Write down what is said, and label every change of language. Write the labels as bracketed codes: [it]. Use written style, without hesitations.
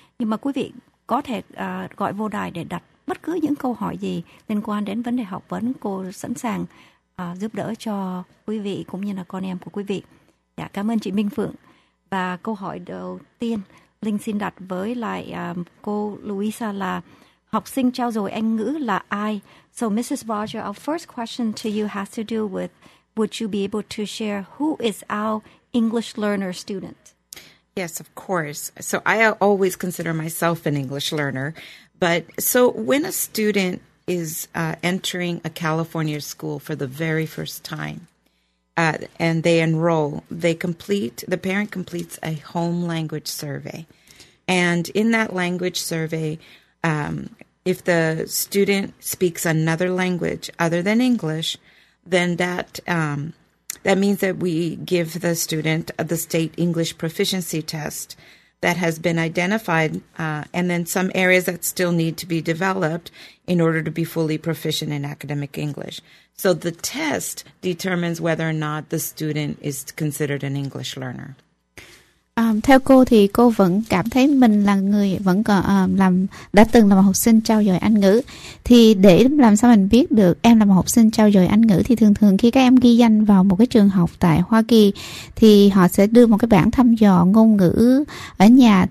[vi] Nhưng mà quý vị có thể gọi vô đài để đặt bất cứ những câu hỏi gì liên quan đến vấn đề học vấn, cô sẵn sàng giúp đỡ cho quý vị cũng như là con em của quý vị. Dạ, cảm ơn chị Minh Phượng. Và câu hỏi đầu tiên Linh xin đặt với lại cô Louisa là: học sinh trao dồi Anh ngữ là ai? [en] So Mrs. Roger, our first question to you has to do with, would you be able to share who is our English learner student? Yes, of course. So I always consider myself an English learner. But so when a student is entering a California school for the very first time, and they enroll, the parent completes a home language survey. And in that language survey, if the student speaks another language other than English, then that means that we give the student the state English proficiency test that has been identified, and then some areas that still need to be developed in order to be fully proficient in academic English. So the test determines whether or not the student is considered an English learner. [vi] Theo cô thì cô vẫn cảm thấy mình là người vẫn còn đã từng là một học sinh trao dồi Anh ngữ. Thì để làm sao mình biết được em là một học sinh trao dồi Anh ngữ, thì thường thường khi các em ghi danh vào một cái trường học tại Hoa Kỳ thì họ sẽ đưa một cái bảng thăm dò ngôn ngữ ở nhà.